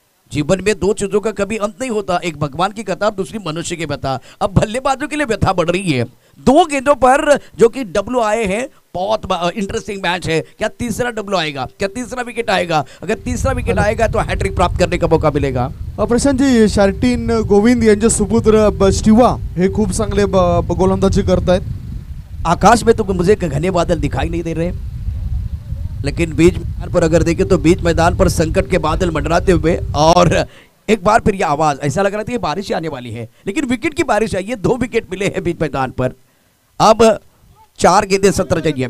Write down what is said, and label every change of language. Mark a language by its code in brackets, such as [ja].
[hi] जीवन में 2 चीजों का कभी अंत नहीं होता, एक भगवान की कथा, दूसरी मनुष्य की व्यथा, अब बल्लेबाजों के लिए व्यथा बढ़ रही है। 2 गेंदों पर जो कि डब्लू आए हैं बहुत इंटरेस्टिंग मैच है। क्या तीसरा डब्लू आएगा, क्या तीसरा विकेट आएगा? अगर तीसरा विकेट आएगा तो हैट्रिक प्राप्त करने का मौका मिलेगा। [mr] प्रशांत जी, शार्टिन गोविंद यांचे सुपुत्र स्टीवा हे खूप चांगले गोलंदाजी करतात। [hi] आकाश में तो मुझे घने बादल दिखाई नहीं दे रहे, लेकिन बीच मैदान पर अगर देखें तो बीच मैदान पर संकट के बादल मंडराते हुए और एक बार फिर ये आवाज, ऐसा लग रहा था कि बारिश आने वाली है, लेकिन विकेट की बारिश आई है। दो विकेट मिले हैं बीच मैदान पर, अब चार गेंदे 17 चाहिए।